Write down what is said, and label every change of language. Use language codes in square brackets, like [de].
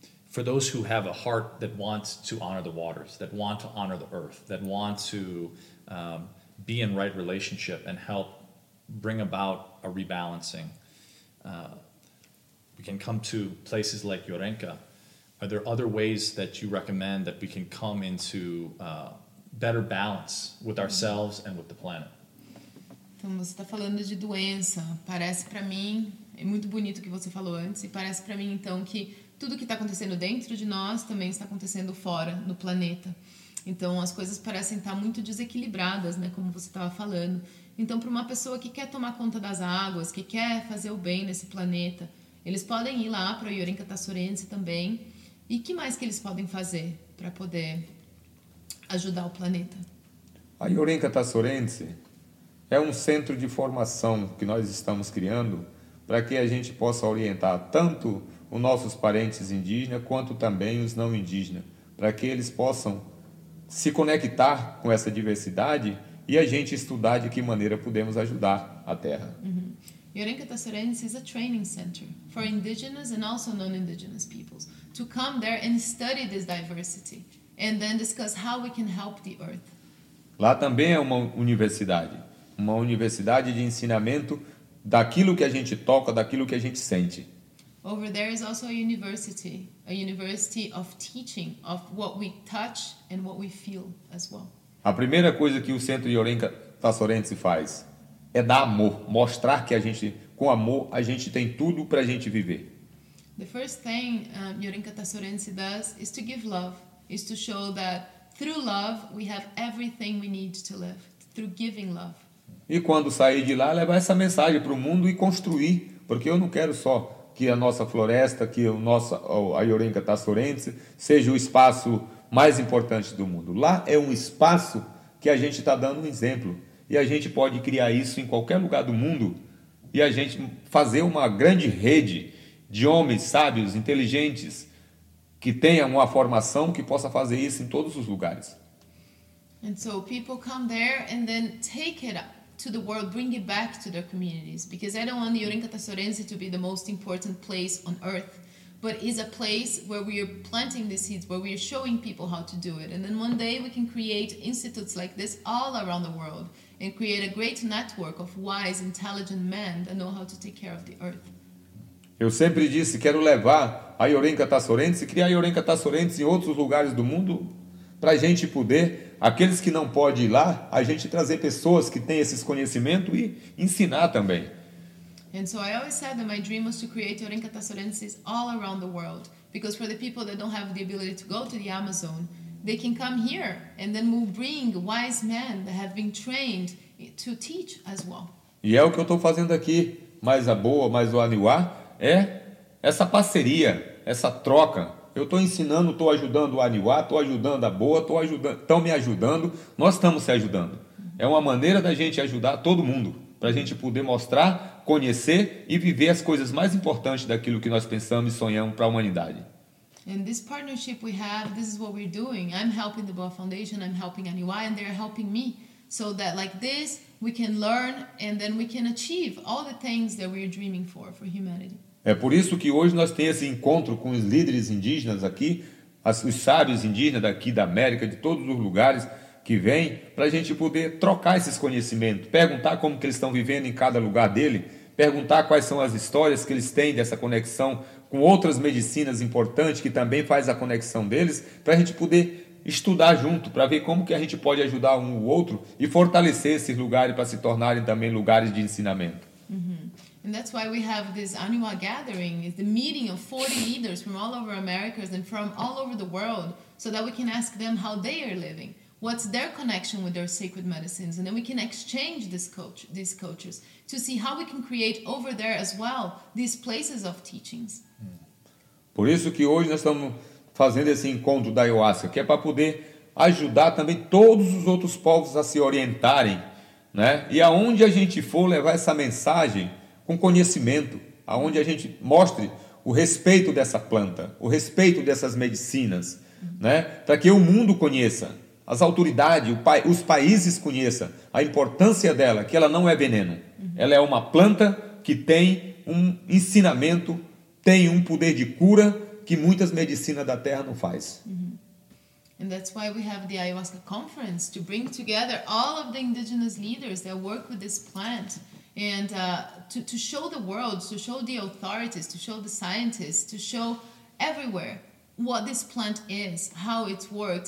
[en] For those who have a heart that wants to honor the waters, that want to honor the earth, that want to be in right relationship and help bring about a rebalancing, we can come to places like Yorenka. Are there other ways that you recommend that we can come into better balance with ourselves and with the planet? [pt] Então, você está falando de doença. Parece para mim, é muito bonito o que você falou antes, e parece para mim, então, que tudo que está acontecendo dentro de nós também está acontecendo fora, no planeta. Então, as coisas parecem estar muito desequilibradas, né, como você estava falando. Então, para uma pessoa que quer tomar conta das águas, que quer fazer o bem nesse planeta, eles podem ir lá para o Yorenka Tassurense também. E que mais que eles podem fazer para poder ajudar o planeta? A Yorenka Tassurense é um centro de formação que nós estamos criando para que a gente possa orientar tanto os nossos parentes indígenas quanto também os não indígenas, para que eles possam se conectar com essa diversidade e a gente estudar de que maneira podemos ajudar a Terra. Uh-huh. [en] Yorenka Tassurense is a training center for indigenous and also non-indigenous peoples to come there and study this diversity and then discuss how we can help the Earth. [pt] Lá também é uma universidade. Uma universidade de ensinamento daquilo que a gente toca, daquilo que a gente sente. [en] Over there is also a university of teaching, of what we touch and what we feel as well. [pt] A primeira coisa que o Centro Yorenka Tassurense faz é dar amor, mostrar que a gente, com amor, a gente tem tudo para a gente viver. [en] The first thing Yorenka Tassurense does is to give love, is to show that through love we have everything we need to live, through giving love. [pt] E quando sair de lá, levar essa mensagem para o mundo e construir. Porque eu não quero só que a nossa floresta, que o nosso, a Yorenka Tassurense, seja o espaço mais importante do mundo. Lá é um espaço que a gente está dando um exemplo. E a gente pode criar isso em qualquer lugar do mundo e a gente fazer uma grande rede de homens sábios, inteligentes, que tenham uma formação que possa fazer isso em todos os lugares. [en] And so people come there and then take it up to the world, bring it back to their communities. Because I don't want the Yorenka Tassurense to be the most important place on earth, but is a place where we are planting the seeds, where we are showing people how to do it. And then one day we can create institutes like this all around the world and create a great network of wise, intelligent men that know how to take care of the earth. [pt] Eu sempre disse, quero levar a Yorenka Tassurense, criar a Yorenka Tassurense em outros lugares do mundo, para a gente poder, aqueles que não podem ir lá, a gente trazer pessoas que têm esses conhecimentos e ensinar também. [en] And so I always said that my dream was to create Yorenka Tassurenses all around the world, because for the people that don't have the ability to go to the Amazon, they can come here and then we'll bring wise men that have been trained to teach as well. [pt] E é o que eu estou fazendo aqui, mais a boa, mais o Aniwá, é essa parceria, essa troca. Eu estou ensinando, estou ajudando o Aniwá, estou ajudando a Boa, estão me ajudando, nós estamos se ajudando. É uma maneira da gente ajudar todo mundo. para a gente poder mostrar, conhecer e viver as coisas mais importantes daquilo que nós pensamos e sonhamos para a humanidade. [en] And this partnership we have, this is what we're doing. I'm helping the Boa Foundation, I'm helping Aniwai, and they're helping me. So that like this, we can learn and then we can achieve all the things that we're dreaming for humanity. [pt] É por isso que hoje nós temos esse encontro com os líderes indígenas aqui, os sábios indígenas daqui da América, de todos os lugares que vêm, para a gente poder trocar esses conhecimentos, perguntar como que eles estão vivendo em cada lugar dele, perguntar quais são as histórias que eles têm dessa conexão com outras medicinas importantes que também faz a conexão deles, para a gente poder estudar junto, para ver como que a gente pode ajudar um ao outro e fortalecer esses lugares para se tornarem também lugares de ensinamento. [en] And that's why we have this annual gathering, the meeting of 40 leaders from all over Americas and from all over the world, so that we can ask them how they are living, what's their connection with their sacred medicines, and then we can exchange these cultures to see how we can create over there as well these places of teachings. [pt] Por isso que hoje nós estamos fazendo esse encontro da Ayahuasca, que é para poder ajudar também todos os outros povos a se orientarem, né? E aonde a gente for levar essa mensagem com conhecimento, aonde a gente mostre o respeito dessa planta, o respeito dessas medicinas, né? Para que o mundo conheça, as autoridades, os países conheçam a importância dela, que ela não é veneno. Ela é uma planta que tem um ensinamento, tem um poder de cura que muitas medicinas da Terra não faz. [en] And that's why we have the Ayahuasca Conference, to bring together all of the indigenous leaders that work with this plant. And to show the world, to show the authorities, to show the scientists, to show everywhere what this plant is, how it works.